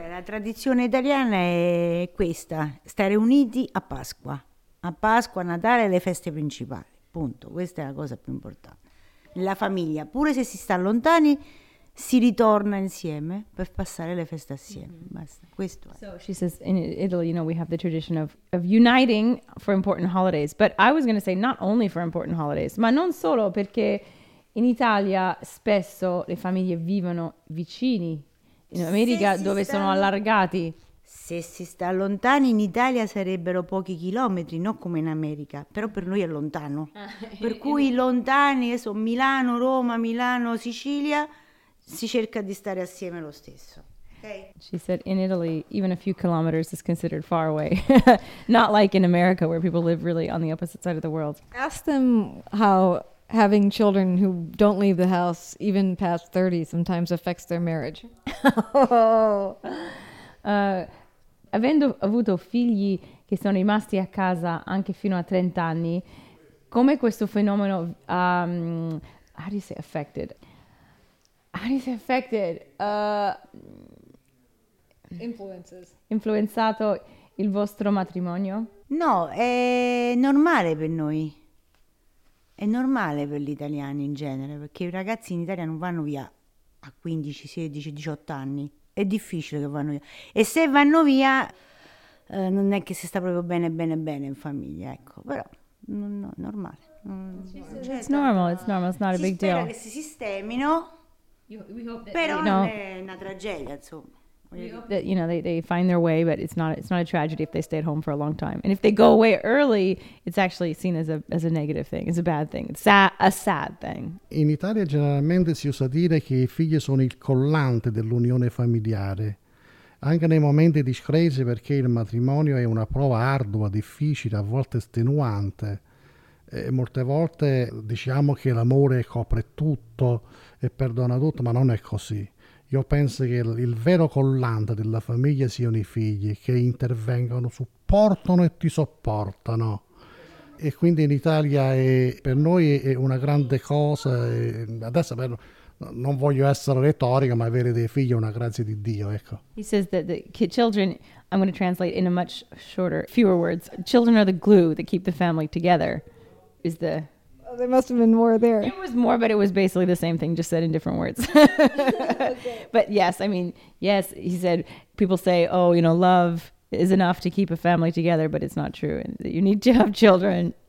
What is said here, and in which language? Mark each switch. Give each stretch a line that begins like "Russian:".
Italian: La tradizione italiana è questa, stare uniti a Pasqua. A Pasqua, Natale, le feste principali. Punto. Questa è la cosa più importante. La famiglia, pure se si sta lontani, si ritorna insieme per passare le feste assieme. Mm-hmm. Basta. Questo è.
English: So she says, in Italy, you know, we have the tradition of uniting for important holidays. But I was going to say not only for important holidays,
Italian: ma non solo, perché in Italia spesso le famiglie vivono vicini. In America, dove sono allargati. Se si sta lontani, in Italia sarebbero pochi chilometri, non come in America. Però per noi è lontano. Per cui lontani, sono Milano, Roma, Milano, Sicilia, si cerca di stare assieme lo stesso.
English: Okay. She said, in Italy, even a few kilometers is considered far away. Not like in America, where people live really on the opposite side of the world. Ask them how having children who don't leave the house, even past 30, sometimes affects their marriage.
Italian: Avendo avuto figli che sono rimasti a casa anche fino a 30 anni, come questo fenomeno,
English: how do you say affected? How do you say affected? Influences.
Italian: Influenzato il vostro matrimonio? No, è normale per noi. È normale per gli italiani in genere, perché i ragazzi in Italia non vanno via a 15, 16, 18 anni. È difficile che vanno via. E se vanno via, non è che si sta proprio bene, bene, bene in famiglia, ecco. Però, no, normale.
English: It's normal, it's normal, it's not a big deal.
Italian: Si spera che si sistemino, però non è una tragedia, insomma.
English: That, you know, they find their way, but it's not a tragedy if they stay at home for a long time. And if they go away early, it's actually seen as a negative thing. It's a bad thing. It's a sad thing.
Italian: In Italia generalmente si usa dire che i figli sono il collante dell'unione familiare, anche nei momenti di crisi, perché il matrimonio è una prova ardua, difficile, a volte estenuante. E molte volte diciamo che l'amore copre tutto e perdona tutto, ma non è così. Io penso che il vero collante della famiglia siano i figli, che intervengono, supportano e ti sopportano. E quindi in Italia per noi è una grande cosa. Adesso non voglio essere retorica, ma avere dei figli è una grazia di Dio, ecco.
English: He says that the children, I'm going to translate in a much shorter, fewer words. Children are the glue that keep the family together, is the... There must have been more there. It was more, but it was basically the same thing, just said in different words. But yes, I mean, yes, he said, people say, oh, you know, love is enough to keep a family together, but it's not true, and you need to have children.